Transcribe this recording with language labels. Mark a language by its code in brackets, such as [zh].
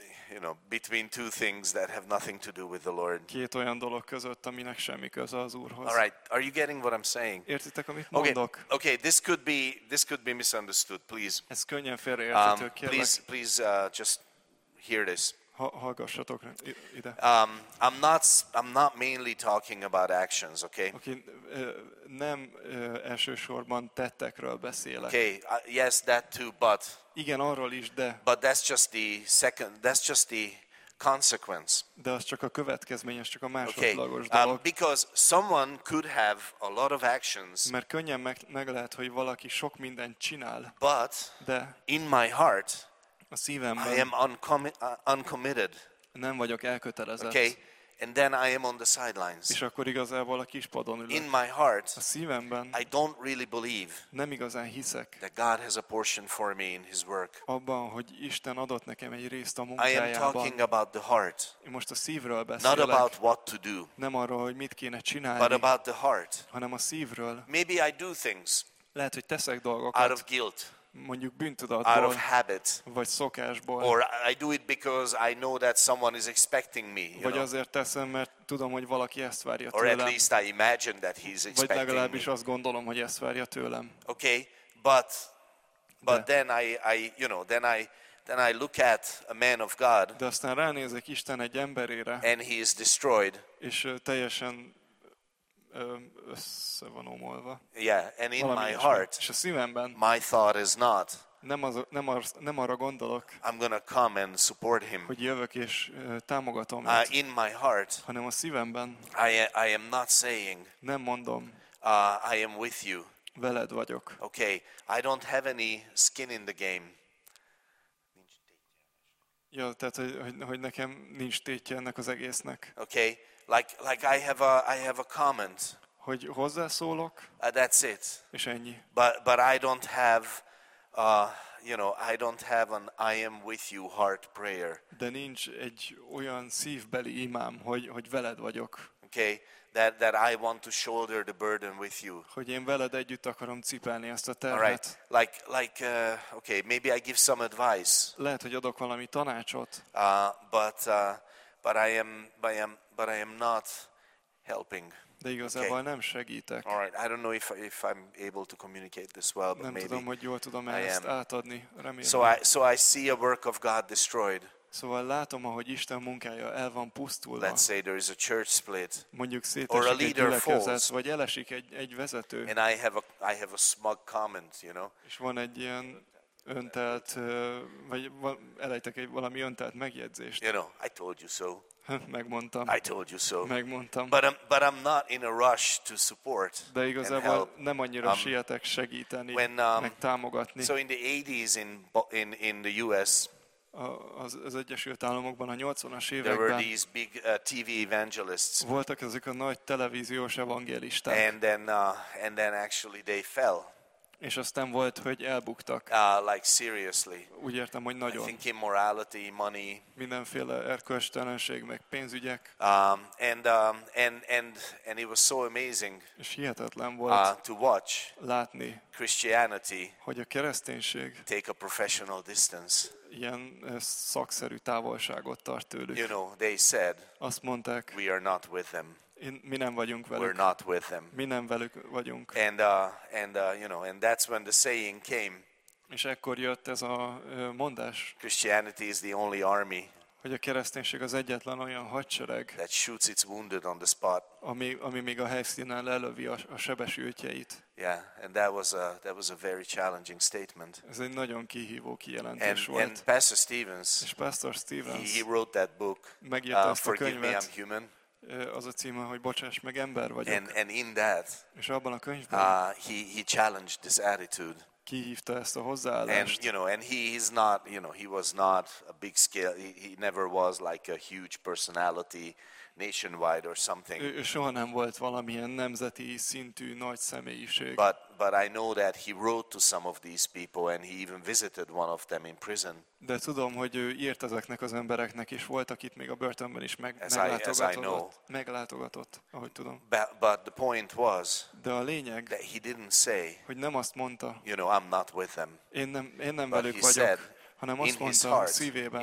[en] You know, between two things that have nothing to do with the Lord. [hu] Két olyan dolog között, aminek semmi köze az Úrhoz. [en] All right, are you getting what I'm saying? [hu] Értitek, amit mondok? [en] Okay, this could be misunderstood, please. [hu] Ez könnyen félreérthető, kérlek. [en] Please, just hear this. [hu] Hallgassatok ide. [en] I'm not mainly talking about actions, okay? [hu] Okay, nem elsősorban tettekről beszélek. [en] Okay, yes, that too, but. [hu] Igen, arról is, de. [en] But that's just the consequence. [hu] De az csak a következmény, az csak a másodlagos dolog. [en] Okay. Because someone could have a lot of actions. [hu] Mert könnyen meg lehet, hogy valaki sok mindent csinál. [en] But. [hu] De. [en] In my heart. [hu] A szívemben. [en] I am uncommitted. [hu] Nem vagyok elkötelezett. [en] Okay. And then I am on the sidelines. [hu] És akkor igazából a kispadon ülök. [en] In my heart. [hu] A szívemben. [en] I don't really believe. [hu] Nem igazán hiszek. [en] That God has a portion for me in his work. [hu] Abban, hogy Isten adott nekem egy részt a munkájában. [en] I am talking about the heart. [hu] Én most a szívről beszélek. [en] Not about what to do. [hu] Nem arról, hogy mit kéne csinálni. [en] But about the heart. [hu] Hanem a szívről. [en] Maybe I do things. [hu] Lehet, hogy teszek dolgokat. [en] Out of guilt. [hu] Mondjuk bűntudatból, vagy szokásból. [en] Or I do it because I know that someone is expecting me. [hu] Vagy azért teszem, mert tudom, hogy valaki ezt várja tőlem. [en] Or at least I imagine that he's expecting me. [hu] Vagy legalábbis azt gondolom, hogy ezt várja tőlem. [en] Okay, but de. Then I you know then I look at a man of God. [hu] De aztán ránézek Isten egy emberére. [en] And he is destroyed. [hu] És teljesen össze van omolva. [en] Yeah, and in my heart, [hu] és a szívemben, [en] my thought is not. [hu] Nem arra gondolok. [en] I'm gonna come and support him. [hu] Hogy jövök és támogatom. [en] In my heart, [hu] hanem a szívemben. [en] I am not saying. [hu] Nem mondom. [en] I am with you. [hu] Veled vagyok. [en] Okay, I don't have any skin in the game. [hu] Ja, tehát hogy nekem nincs tétje ennek az egésznek. [en] Okay. Like I have a comment. [hu] Hogy hozzászólok. [en] That's it. [hu] És ennyi. [en] But I don't have, you know, I don't have an I am with you heart prayer. [hu] De nincs egy olyan szívbeli imám, hogy veled vagyok. [en] Okay. That I want to shoulder the burden with you. [hu] Hogy én veled együtt akarom cipelni ezt a terhet. [en] Right. Like okay, maybe I give some advice. [hu] Lehet, hogy adok valami tanácsot. [en] But I am not helping. [hu] De igazából nem segítek. [en] All right, I don't know if I'm able to communicate this well, but [hu] nem [en] maybe. [hu] Nem tudom, hogy jól tudom ezt átadni. Remélem. [en] So I see a work of God destroyed. [hu] Szóval látom, ahogy Isten munkája el van pusztulva. [en] Let's say there is a church split. [hu] Mondjuk szétesik egy gyülekezet, vagy elesik egy vezető. [en] And I have a smug comment, you know. [hu] És van egy ilyen öntelt, vagy elejtek egy valami öntelt megjegyzést. [en] You know, I told you so. [hu] Megmondtam. [en] I told you so. [hu] Megmondtam. [en] But I'm not in a rush to support. [hu] De igazából nem annyira sietek segíteni, meg támogatni. [en] So in the 80s in the US. [hu] Az Egyesült Államokban a 80-as években. [en] There were these big TV evangelists. [hu] Voltak ezek a nagy televíziós evangelisták. [en] And then actually they fell. [hu] És aztán volt, hogy elbuktak. [en] Like seriously. [hu] Úgy értem, hogy nagyon. [en] I think immorality, money. [hu] Mindenféle erkölcstelenség, meg pénzügyek. [en] And it was so amazing. [hu] És hihetetlen volt. [en] To watch. [hu] Látni. [en] Christianity. [hu] Hogy a kereszténység. [en] Take a professional distance. [hu] Ilyen szakszerű távolságot tart tőlük. [en] You know, they said. [hu] Azt mondták. [en] We are not with them. [hu] Mi nem vagyunk velük. [en] We're not with them. [hu] Mi nem velük vagyunk. [en] And you know, and that's when the saying came. [hu] És ekkor jött ez a mondás. [en] Christianity is the only army. [hu] Hogy a kereszténység az egyetlen olyan hadsereg. [en] That shoots its wounded on the spot. [hu] Ami még a helyszínen lelövi a sebesültjeit. [en] Yeah, and that was a very challenging statement. [hu] Ez egy nagyon kihívó kijelentés volt. [en] And Pastor Stevens. [hu] És Pastor Stevens. [en] He wrote that book. [hu] Megírta ezt a könyvet. [en] Forgive me, I'm human. [hu] az a címe, hogy bocsáss meg, ember vagyok. [en] And in that, [hu] és abban a könyvben, [en] he challenged this attitude. [hu] Kihívta ezt a hozzáállást. [en] And you know, and he's not, you know, he was not a big scale. He never was like a huge personality nationwide or something. [hu] Ő soha nem volt valamilyen nemzeti szintű nagy személyiség. [en] But I know that he wrote to some of these people and he even visited one of them in prison. [hu] De tudom, hogy ő írt ezeknek az embereknek is, volt, akit még a börtönben is meglátogatott, ahogy tudom. [en] But the point was, [hu] de a lényeg, [en] that he didn't say, [hu] hogy nem azt mondta, [en] you know, I'm not with them. [hu] Én nem velük vagyok. [en] Said, [hu] hanem azt mondta a szívében,